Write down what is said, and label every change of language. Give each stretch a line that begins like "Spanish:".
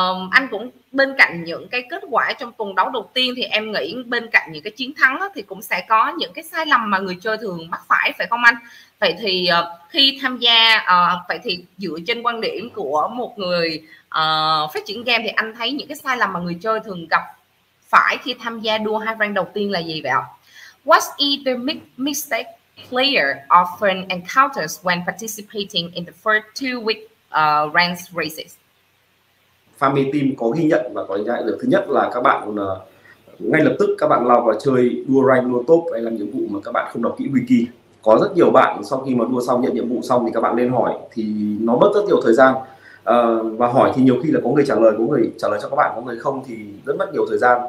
Vietnamese: anh cũng bên cạnh những cái kết quả trong tuần đấu đầu tiên thì em nghĩ bên cạnh những cái chiến thắng đó, thì cũng sẽ có những cái sai lầm mà người chơi thường mắc phải, phải không anh? Vậy thì khi tham gia, vậy thì dựa trên quan điểm của một người phát triển game thì anh thấy những cái sai lầm mà người chơi thường gặp phải khi tham gia đua hai rank đầu tiên là gì vậy ạ?
English: What is the mistake player often encounters when participating in the first two week rank races?
Vietnamese: Family Team có ghi nhận và có nhận được. Thứ nhất là các bạn ngay lập tức các bạn lao vào chơi đua rank đua top hay làm nhiệm vụ mà các bạn không đọc kỹ wiki. Có rất nhiều bạn sau khi mà đua xong, nhận nhiệm vụ xong thì các bạn lên hỏi thì nó mất rất nhiều thời gian. Và hỏi thì nhiều khi là có người trả lời, có người trả lời cho các bạn, có người không thì rất mất nhiều thời gian.